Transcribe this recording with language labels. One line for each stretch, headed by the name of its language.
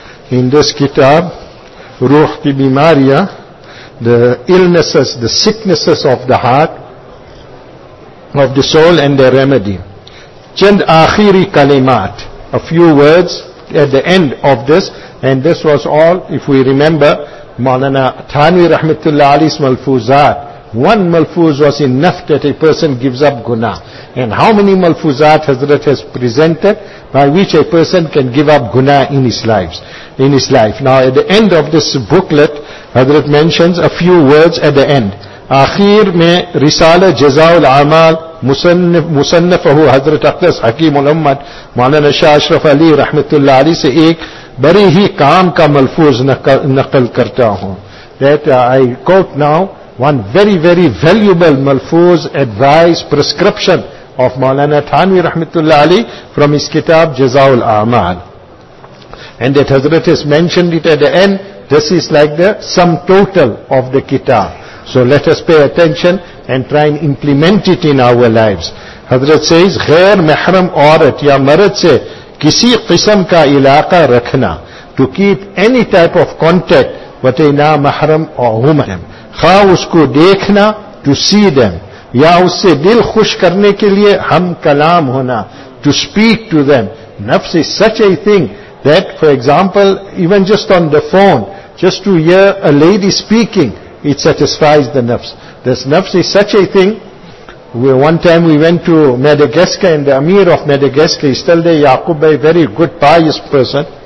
English: in this kitab Ruh ki Bimariya the illnesses the sicknesses of the heart of the soul and their remedy
Urdu: chand akhiri kalimat
English: a few words at the end of this and this was all if we remember
Urdu: مولانا تھانوی رحمت اللہ علیہ ملفوظات.
English: One malfuz was enough that a person gives up guna. And how many malfuzat Hazrat has presented by which a person can give up guna in his lives, in his life. Now at the end of this booklet, Hazrat mentions a few words at the end.
Urdu: آخر میں رسالہ جزاء العمال مصنفہ حضرت اقدس حکیم الامت مولانا شاہ اشرف علی رحمت اللہ علی سے ایک بڑی ہی کام کا ملفوظ نقل کرتا ہوں.
English: That I quote now one very very valuable ملفوظ advice prescription of Maulana Thanvi رحمت اللہ علی from his کتاب جزاء العمال. And that حضرت has mentioned it at the end, this is like the sum total of the کتاب. So let us pay attention and try and implement it in our lives. Hazrat says,
Urdu: غیر محرم عورت یا مرد سے کسی قسم کا علاقہ رکھنا,
English: to keep any type of contact with a
Urdu: نامحرم عورت, خواہ اس کو دیکھنا
English: to see them,
Urdu: یا اس سے دل خوش کرنے کے لیے ہم کلام ہونا
English: to speak to them. Nafs is such a thing that, for example, even just on the phone, just to hear a lady speaking, it satisfies the nafs. This nafs is such a thing. One time we went to Madagascar, and the Amir of Madagascar, he's still there, Yaqub Bey, very good, pious person.